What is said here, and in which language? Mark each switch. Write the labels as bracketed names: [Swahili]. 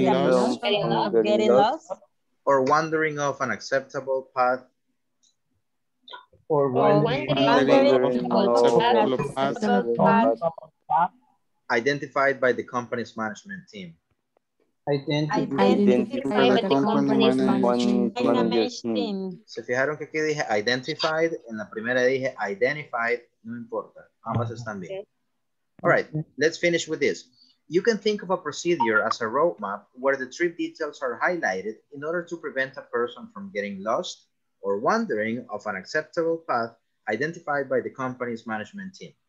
[English] You can think of a procedure as a roadmap where the trip details are highlighted in order to prevent a person from getting lost. Or wandering off an acceptable path. Identified by the company's management team. Identified by the company's management team. [Spanish] Se fijaron que aquí dije identified, en la primera dije identified, no importa, ambas están bien. [English] Okay. All right, let's finish with this. You can think of a procedure as a roadmap where the trip details are highlighted in order to prevent a person from getting lost or wandering off an acceptable path identified by the company's management team.